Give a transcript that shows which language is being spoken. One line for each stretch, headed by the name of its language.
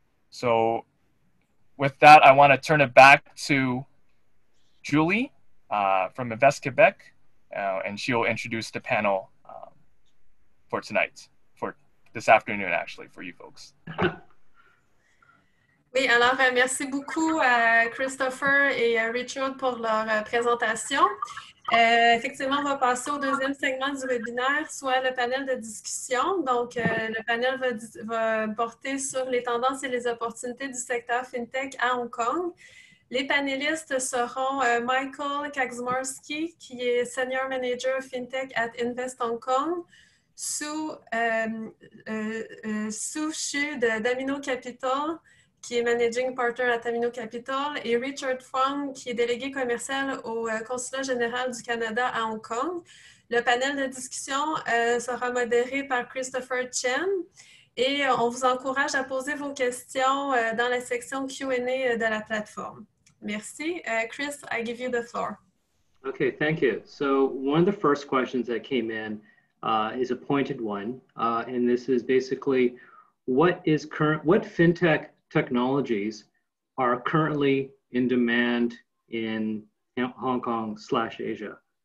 English: So with that, I want to turn it back to Julie from Invest Quebec, and she'll introduce the panel for tonight, for this afternoon, actually, for you folks.
French: Oui, alors merci beaucoup à Christopher et à Richard pour leur présentation. Effectivement, on va passer au deuxième segment du webinaire, soit le panel de discussion. Donc, le panel va porter sur les tendances et les opportunités du secteur fintech à Hong Kong. Les panélistes seront Michael Kaczmarski, qui est Senior Manager Fintech at Invest Hong Kong, Sue Xu de Domino Capital, qui est Managing Partner à Tamino Capital, et Richard Fong, qui est délégué commercial au Consulat général du Canada à Hong Kong. Le panel de discussion sera modéré par Christopher Chen, et on vous encourage à poser vos questions dans la section Q&A de la plateforme. Merci.
English: Chris, I give you the floor. Okay, thank you. So one of the first questions that came in is a pointed one, and this is basically, what fintech technologies are currently in demand in Hong Kong/Asia?